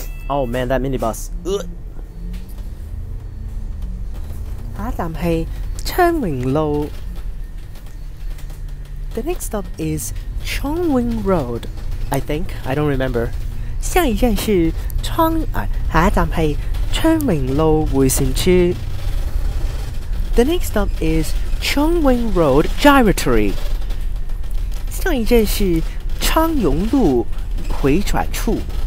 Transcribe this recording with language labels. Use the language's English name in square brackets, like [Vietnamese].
[English] Oh man, that minibus. The next stop is Chong Wing Road, I think. I don't remember. [Chinese] 下一站是春明路回旋处. [English] The next stop is Chong Wing Road Gyratory. [Chinese] 下一站是昌永路回转处.